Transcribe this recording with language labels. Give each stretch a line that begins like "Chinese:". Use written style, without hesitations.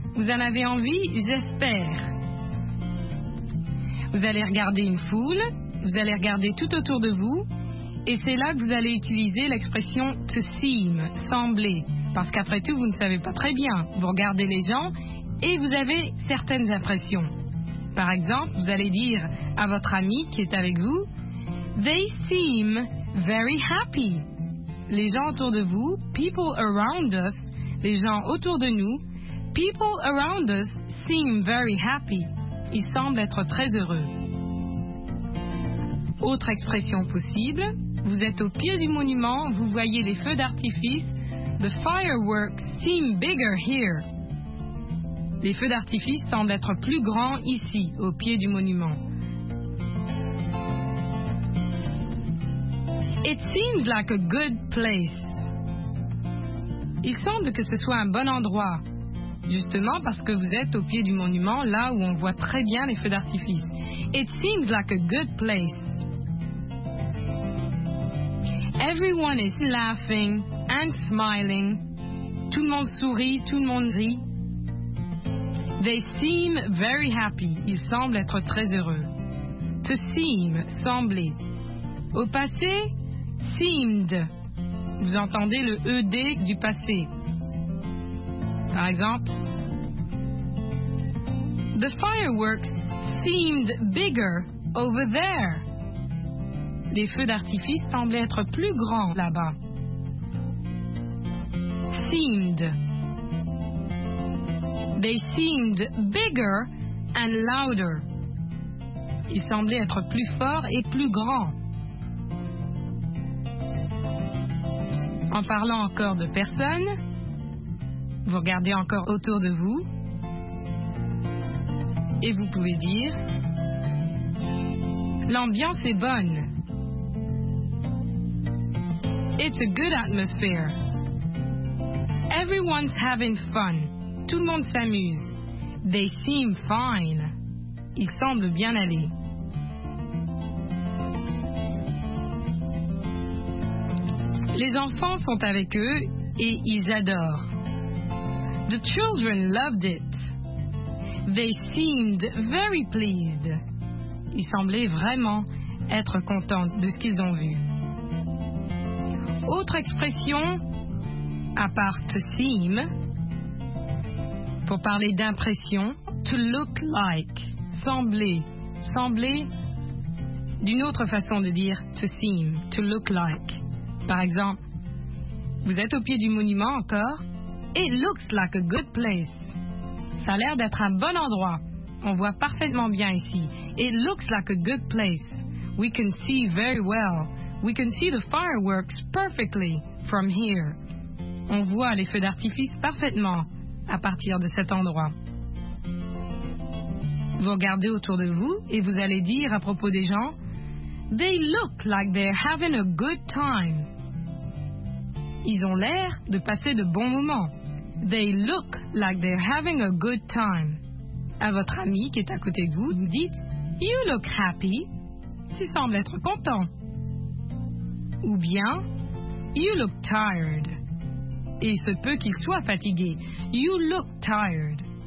French: Vous en avez envie? J'espère. Vous allez regarder une foule, vous allez regarder tout autour de vous, et c'est là que vous allez utiliser l'expression
English: to seem,
French: sembler, parce qu'après tout, vous ne savez pas très bien. Vous regardez les gens et vous avez certaines impressions. Par exemple, vous allez dire à votre ami qui est avec vous,
English: they seem very happy.
French: Les gens autour de vous,
English: people around us,
French: les gens autour de nous,
English: people around us seem very happy.
French: Ils semblent être très heureux. Autre expression possible, vous êtes au pied du monument, vous voyez les feux d'artifice,
English: the fireworks seem bigger here.
French: Les feux d'artifice semblent être plus grands ici, au pied du monument.
English: It seems like a good place.
French: Il semble que ce soit un bon endroit, justement parce que vous êtes au pied du monument, là où on voit très bien les feux d'artifice.
English: It seems like a good place. Everyone is laughing and smiling.
French: Tout le monde sourit, tout le monde rit.
English: They seem very happy.
French: Ils semblent être très heureux.
English: To seem,
French: sembler. Au passé,
English: seemed.
French: Vous entendez le ED du passé. Par exemple,
English: the fireworks seemed bigger over there.
French: Les feux d'artifice semblaient être plus grands là-bas.
English: Seemed. They seemed bigger and louder.
French: Ils semblaient être plus forts et plus grands. En parlant encore de personnes, vous regardez encore autour de vous et vous pouvez dire l'ambiance est bonne.
English: It's a good atmosphere. Everyone's having fun.
French: Tout le monde s'amuse.
English: They seem fine.
French: Ils semblent bien aller. Les enfants sont avec eux et ils adorent.
English: The children loved it. They seemed very pleased.
French: Ils semblaient vraiment être contents de ce qu'ils ont vu. Autre expression, à part
English: to seem,
French: pour parler d'impression,
English: to look like,
French: sembler, sembler, d'une autre façon de dire
English: to seem, to look like.
French: Par exemple, vous êtes au pied du monument encore,
English: it looks like a good place.
French: Ça a l'air d'être un bon endroit, on voit parfaitement bien ici,
English: it looks like a good place, we can see very well. We can see the fireworks perfectly from here.
French: On voit les feux d'artifice parfaitement à partir de cet endroit. Vous regardez autour de vous et vous allez dire à propos des gens,
English: they look like they're having a good time.
French: Ils ont l'air de passer de bons moments.
English: They look like they're having a good time.
French: À votre ami qui est à côté de vous, vous dites,
English: you look happy.
French: Tu sembles être content. Ou bien,
English: you look tired.
French: Et il se peut qu'il soit fatigué.
English: You look tired.